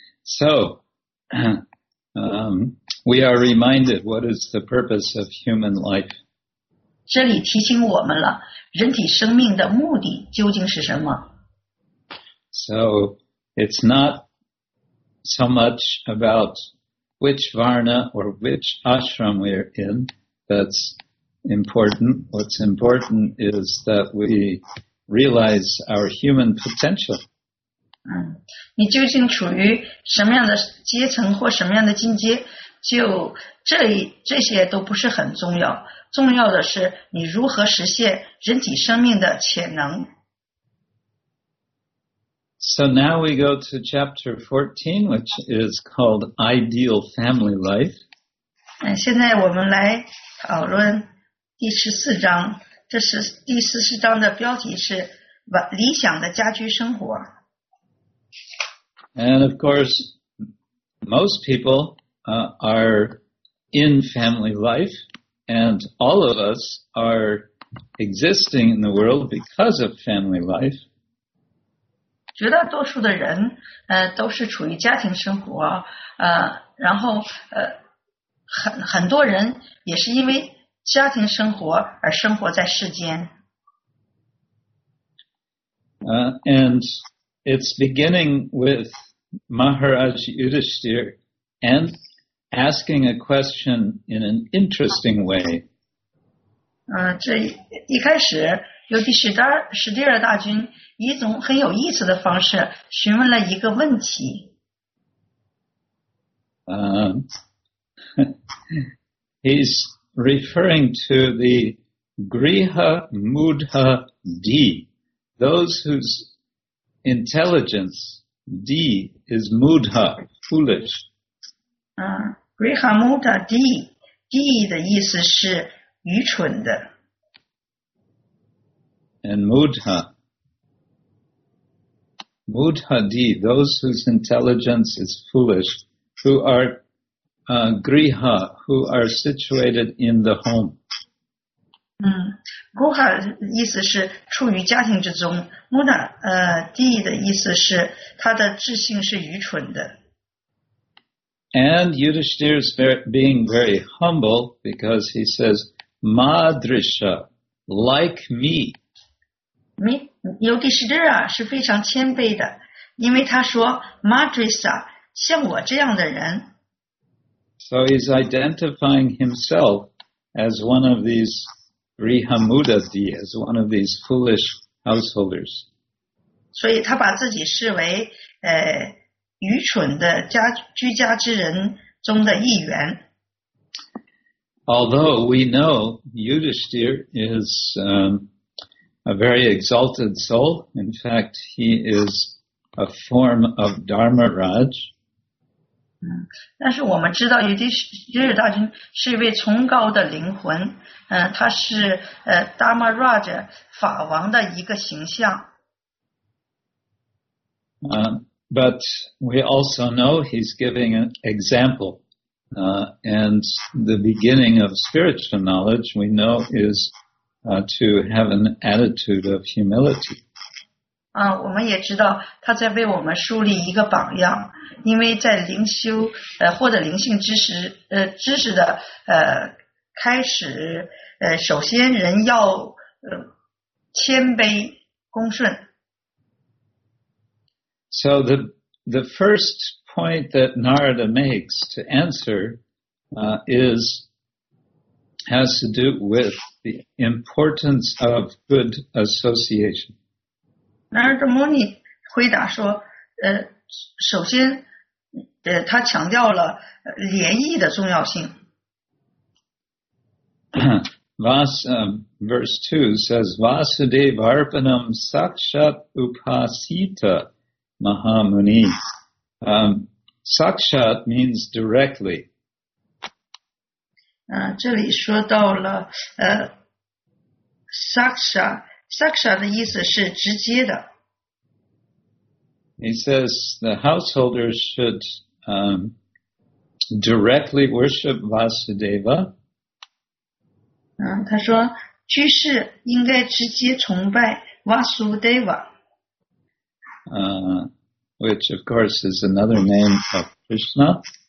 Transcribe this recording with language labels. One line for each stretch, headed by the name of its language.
English: So, we are reminded what is the purpose of human life.
Chinese: 这里提醒我们了，人体生命的目的究竟是什么？
English: So, it's not so much about which varna or which ashram we're in that's important. What's important is that we realize our human potential.
Chinese: 你究竟处于什么样的阶层或什么样的境界，就这些都不是很重要，重要的是你如何实现人体生命的潜能。
English: So now we go to chapter 14, which is called Ideal Family Life.
Chinese: 现在我们来讨论第十四章，这是第十四章的标题是理想的家居生活。
English: And of course, most people, are in family life, and all of us are existing in the world because of family life.
Chinese: 绝大多数的人都是处于家庭生活然后很多人也是因为家庭生活而生活在世间。
English: And it's beginning with Maharaj Yudhishthir and asking a question in an interesting way.
Chinese: 这一开始由第十第二大军以一种很有意思的方式询问了一个问题。
English: He's referring to the Griha Mudha D, those whose intelligence D is Mudha, foolish.
Chinese: Griha Mudha D, D 的意思是愚蠢的。
English: And mudha di, those whose intelligence is foolish, who are griha, who are situated in the home.
Chinese: Griha 意思是处于家庭之中 ，mudha di 的意思是他的智性是愚蠢的。
English: And Yudhishthir is being very humble because he says, "Madrisha, like me."
Chinese: Yudhishthira 是非常谦卑的，因为他说 Madrisa 像我这样的人。
English: So he's identifying himself as one of these Rihamudati, as one of these foolish householders.
Chinese: 所以他把自己视为愚蠢的家居家之人中的一员。
English: Although we know Yudhishthir is a very exalted soul. In fact, he is a form of Dharmaraj.
Chinese: 但是我们知道耶律大军是一位崇高的灵魂，他是Dharmaraj 法王的一个形象。
English: But we also know he's giving an example, and the beginning of spiritual knowledge we know is to have an attitude of humility.
Chinese: 我们也知道他在为我们树立一个榜样，因为在灵修获得灵性知识的开始，首先人要谦卑恭顺。
English: So the first point that Narada makes to answer has to do with the importance of good association.
Chinese: Narada Muni 回答说，首先，他强调了联谊的重要性。
English: verse 2 says,
Sanskrit: Vasudeva Arpanam Sakshat Upasita Mahamuni.
English: Sakshat means directly.
Chinese: 这里说到了Saksha 的意思是直接的。
English: He says the householder should directly worship Vasudeva.
Chinese: 他说居士应该直接崇拜 Vasudeva.
English: Which of course is another name of Krishna.